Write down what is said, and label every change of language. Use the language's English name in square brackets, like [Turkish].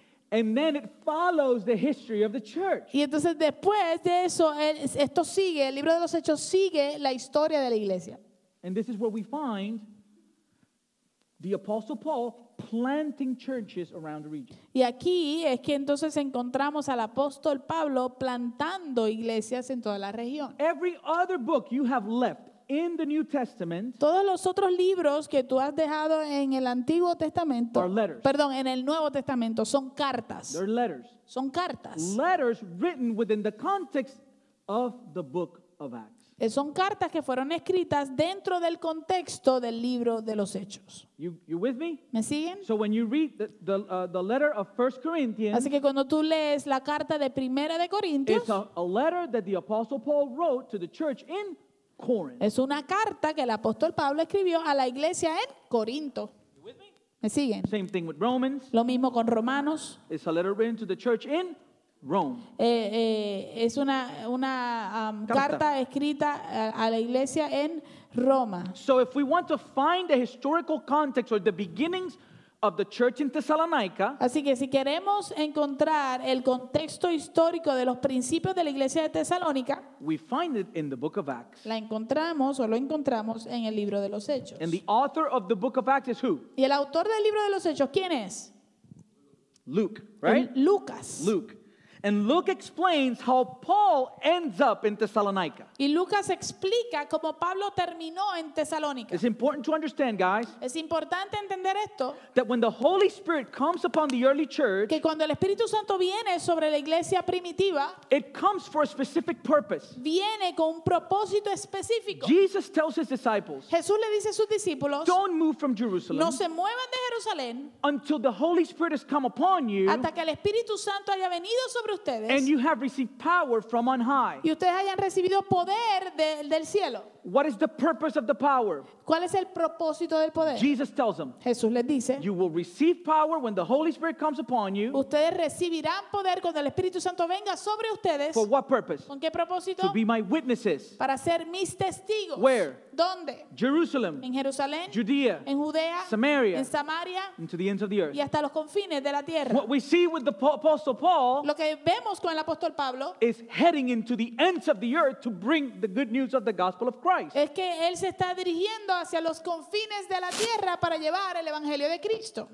[English] And then it follows the history of the church. [Spanish] Y entonces después de eso, esto sigue, el libro de los Hechos sigue la historia de la iglesia. [English] And this is where we find the Apostle Paul planting churches around the region. [Spanish] Y aquí es que entonces encontramos al apóstol Pablo plantando iglesias en toda la región. [English] Every other book you have left in the New Testament. [Spanish] Todos los otros libros que tú has dejado en el Antiguo Testamento. [English] Are letters. [Spanish] Perdón, en el Nuevo Testamento son cartas. [English] They're letters. [Spanish] Son cartas. [English] Letters written within the context of the book of Acts. [Spanish] Son cartas que fueron escritas dentro del contexto del libro de los Hechos. [English] You with me? [Spanish] ¿Me siguen? [English] So when you read the letter of 1 Corinthians. [Spanish] Así que cuando tú lees la carta de Primera de Corintios. [English] It's a letter that the Apostle Paul wrote to the church in Corinth. [Spanish] Es una carta que el apóstol Pablo escribió a la iglesia en Corinto. ¿Me siguen? [English] Same thing with Romans. [Spanish] Lo mismo con Romanos. [English] It's a letter written to the church in Rome. [Spanish] Es una carta escrita a la iglesia en Roma. [English] So if we want to find the historical context or the beginnings of the church in Thessalonica. [Spanish] Así que si queremos encontrar el contexto histórico de los principios de la iglesia de Tesalónica, [English] we find it in the book of Acts. [Spanish] La encontramos o lo encontramos en el libro de los Hechos. [English] And the author of the book of Acts is who? [Spanish] Y el autor del libro de los Hechos, ¿quién es? [English] Luke, right? [Spanish] Lucas. [English] Luke. And Luke explains how Paul ends up in Thessalonica. [Spanish] Y Lucas explica cómo Pablo terminó en Tesalónica. [English] It's important to understand, guys. [Spanish] Es importante entender esto. [English] That when the Holy Spirit comes upon the early church, [Spanish] que cuando el Espíritu Santo viene sobre la iglesia primitiva, [English] it comes for a specific purpose. [Spanish] Viene con un propósito específico. [English] Jesus tells his disciples, [Spanish] Jesús le dice a sus discípulos, [English] don't move from Jerusalem. [Spanish] No se muevan de Jerusalén. [English] Until the Holy Spirit has come upon you. [Spanish] Hasta que el Espíritu Santo haya venido sobre ustedes, [English] and you have received power from on high. [Spanish] Y ustedes hayan recibido poder del cielo. [English] What is the purpose of the power? [Spanish] ¿Cuál es el propósito del poder? [English] Jesus tells them. [Spanish] Jesús les dice. [English] You will receive power when the Holy Spirit comes upon you. [Spanish] Ustedes recibirán poder cuando el Espíritu Santo venga sobre ustedes. [English] For what purpose? [Spanish] ¿Con qué propósito? [English] To be my witnesses. [Spanish] Para ser mis testigos. [English] Where? [Spanish] ¿Dónde? [English] Jerusalem. [Spanish] En Jerusalén. [English] Judea. [Spanish] En Judea. [English] Samaria. [Spanish] En Samaria. [English] And to the ends of the earth. [Spanish] Y hasta los confines de la tierra. [English] What we see with the apostle Paul. [Spanish] Lo que vemos con el apóstol Pablo. [English] Is heading into the ends of the earth to bring the good news of the gospel of Christ. [Spanish] Es que él se está dirigiendo hacia los confines de la tierra para llevar el evangelio de Cristo.